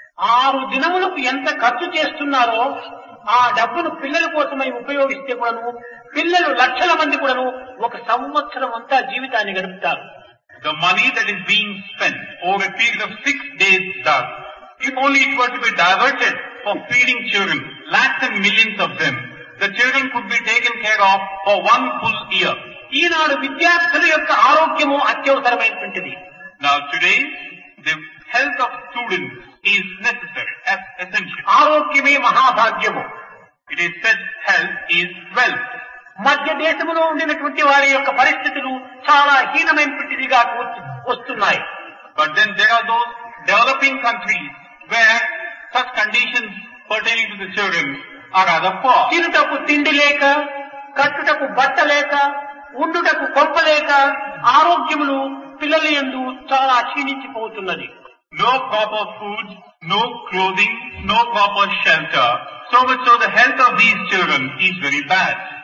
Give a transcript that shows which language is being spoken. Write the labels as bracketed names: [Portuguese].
[Telugu] 6 దినములకు ఎంత ఖర్చు చేస్తున్నారో ఆ డబ్బును పిల్లల కోసమై ఉపయోగిస్తే కూడాను పిల్లలు లక్షల మంది కూడాను ఒక సంవత్సరం అంతా జీవితాన్ని గడుపుతారు. [English] The money that is being spent over a period of 6 days If only it were to be diverted for feeding children, lakhs and millions of them, the children could be taken care of for one full year. [Telugu] ఈనాడు విద్యార్థుల యొక్క ఆరోగ్యము అత్యవసరమైనటువంటిది. [English] Now today, the health of students is necessary, as essential. [Telugu] ఆరోగ్యమే మహాభాగ్యము. [English] It is said health is wealth. [Telugu] మధ్య దేశములో ఉండినటువంటి వారి యొక్క పరిస్థితులు చాలా హీనమైనటువంటిదిగా వస్తున్నాయి. [English] But then there are those developing countries where such conditions pertaining to the children are rather poor. [Telugu] తినుటకు తిండి లేక, కట్టుటకు బట్ట లేక, ఉండుటకు కొంప లేక ఆరోగ్యములు పిల్లల యందు చాలా క్షీణించిపోతున్నది. [English] No proper food, no clothing, no proper shelter, so much so the health of these children is very bad.